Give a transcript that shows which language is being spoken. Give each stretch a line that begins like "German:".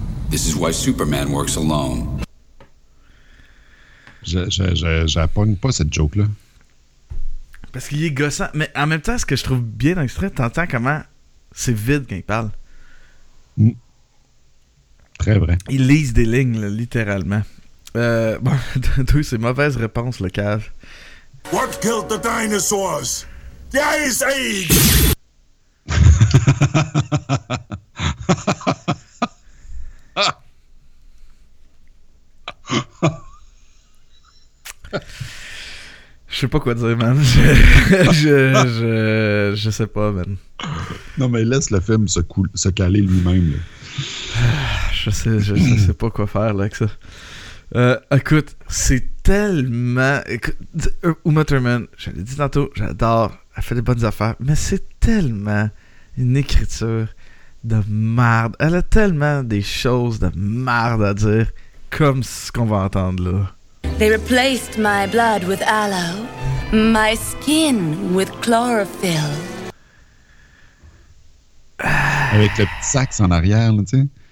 English: This is why Superman works alone.
French: J'appogne pas cette joke-là. Parce qu'il est gossant. Mais en même temps, ce que je trouve bien dans l'extrait, t'entends comment c'est vide quand il parle. Très vrai. Ils lisent des lignes, là, littéralement. Bon, d'où c'est mauvaise réponse, le cave.
English: What killed the dinosaurs? The Ice Age!
French: Je sais pas quoi dire, man. Je sais pas, man. Non, mais laisse le film se caler lui-même, là. Je sais pas quoi faire là, avec ça. Écoute, c'est tellement... Uma Thurman, je l'ai dit tantôt, j'adore, elle fait des bonnes affaires, mais c'est tellement une écriture de marde. Elle a tellement des choses de marde à dire, comme ce qu'on va entendre là.
English: They replaced my blood with aloe, my skin with chlorophyll.
French: Avec le petit sax en arrière, là, tu sais.